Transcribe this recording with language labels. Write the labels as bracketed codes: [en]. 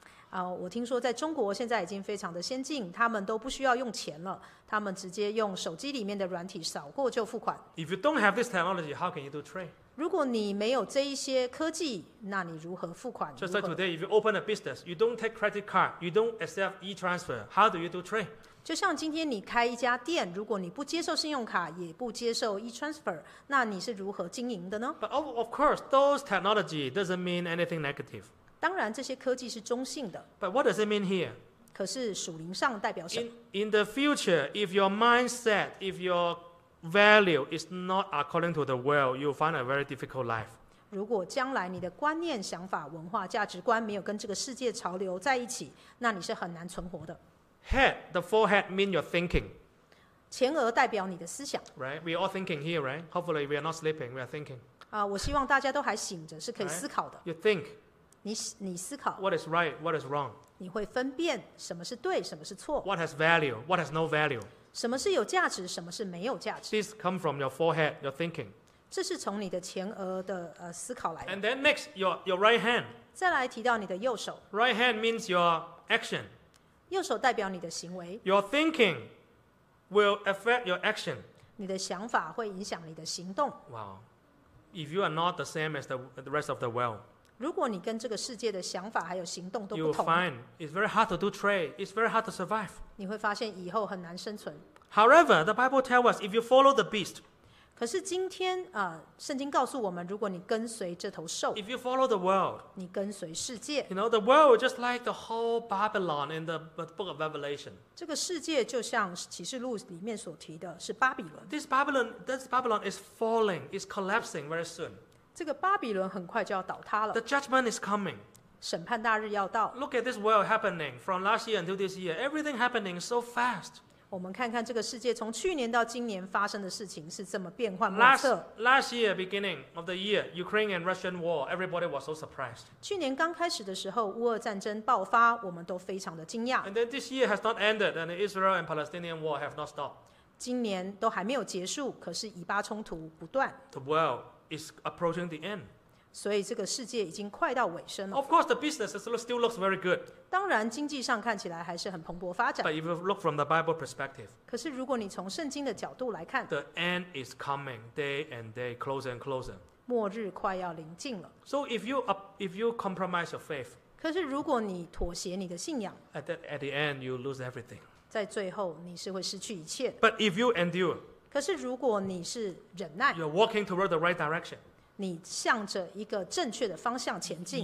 [zh] 我听说在中国现在已经非常的先进，他们都不需要用钱了，他们直接用手机里面的软体扫过就付款。 [en] If you don't have this technology, how can you do trade? [zh] 如果你没有这一些科技，那你如何付款？ [en] Just like today, if you open a business, you don't take credit card, you don't accept e-transfer, how do you do trade? [zh] 就像今天你开一家店，如果你不接受信用卡，也不接受 e-transfer， 那你是如何经营的呢？ [en] But of course, those technology doesn't mean anything negative. [zh] 当然，这些科技是中性的。 [en] But what does it mean here? [zh] 可是属灵上代表什么？ [en] In the future, if your mindset, if your value is not according to the world, you'll find a very difficult life. [zh] 如果将来你的观念、想法、文化、价值观没有跟这个世界潮流在一起，那你是很难存活的。 [en] Head, the forehead means your thinking. [zh] 前额代表你的思想。 [en] Right, we are all thinking here, right? Hopefully, we are not sleeping. We are thinking. [zh] 我希望大家都还醒着，是可以思考的。 [en] Right? You think. [zh] 你思考。 [en] What is right? What is wrong? [zh] 你会分辨什么是对，什么是错。 [en] What has value? What has no value? [zh] 什么是有价值，什么是没有价值。 [en] This comes from your forehead, your thinking. [zh] 这是从你的前额的思考来的。 [en] And then next, your right hand. [zh] 再来提到你的右手。 [en] Right hand means your action. [zh] 右手代表你的行为。 [en] Your thinking will affect your action. [zh] 你的想法会影响你的行动。 [en] Wow. If you are not the same as the rest of the world, [zh] 如果你跟这个世界的想法还有行动都不同， [en] you'll find it's very hard to do trade. It's very hard to survive. [zh] 你会发现以后很难生存。 [en] However, the Bible tells us if you follow the beast, [zh] 可是今天圣经告诉我们，如果你跟随这头兽， [en] if you follow the world, [zh] 你跟随世界， [en] you know, the world just like the whole Babylon in the book of Revelation. [zh] 这个世界就像启示录里面所提的是巴比伦。 [en] This Babylon is falling, is collapsing very soon. [zh] 这个巴比伦很快就要倒塌了。 [en] The judgment is coming. [zh] 审判大日要到。 [en] Look at this world happening from last year until this year. Everything happening so fast. [zh] 我们看看这个世界从去年到今年发生的事情是这么变幻莫测。 [en] Last year, beginning of the year, Ukraine and Russian war, everybody was so surprised. [zh] 去年刚开始的时候，乌俄战争爆发，我们都非常的惊讶。 [en] And then this year has not ended, and the Israel and Palestinian war have not stopped. [zh] 今年都还没有结束，可是以巴冲突不断。 [en] The world is approaching the end. [zh] 所以这个世界已经快到尾声了。 [en] Of course, the business still looks very good. [zh] 当然经济上看起来还是很蓬勃发展。 [en] But if you look from the Bible perspective, [zh] 可是如果你从圣经的角度来看， [en] The end is coming day and day, closer and closer. [zh] 末日快要临近了。 [en] So if you compromise your faith, [zh] 可是如果你妥协你的信仰， [en] At the end, you lose everything. [zh] 在最后你是会失去一切的。 [en] But if you endure, [zh] 可是如果你是忍耐， [en] You're walking toward the right direction. [zh] 你向着一个正确的方向前进。